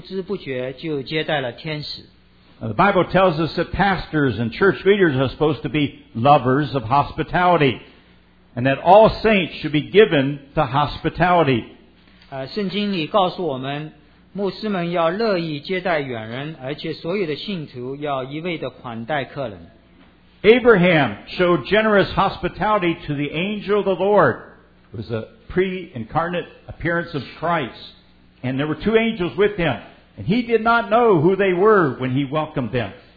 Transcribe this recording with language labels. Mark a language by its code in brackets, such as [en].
[zh] 第十三章第二节就讲到不可忘记用爱心接待客旅因为曾有接待客旅的不知不觉就接待了天使。 [en] The Bible tells us that pastors and church leaders are supposed to be lovers of hospitality, and that all saints should be given to hospitality. [zh] 圣经里告诉我们，牧师们要乐意接待远人，而且所有的信徒要一味的款待客人。 [en] Abraham showed generous hospitality to the angel of the Lord. It was a pre-incarnate appearance of Christ. And there were two angels with him. And he did not know who they were when he welcomed them.